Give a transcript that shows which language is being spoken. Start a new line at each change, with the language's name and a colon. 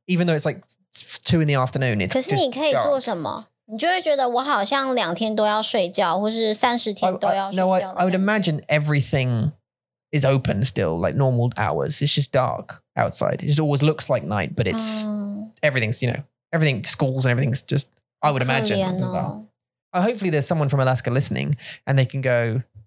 English: Even though it's like 2 in the afternoon, it's just dark.
Chinese: 可是你可以做什么？你就会觉得我好像两天都要睡觉，或是三十天都要睡觉的感觉。
English: I would imagine everything is open still, like normal hours. It's just dark outside. It just always looks like night, but it's everything's, you know, everything, schools and everything's just, I would imagine.
Chinese: 可怜哦。
English: Hopefully there's someone from Alaska listening and they can go,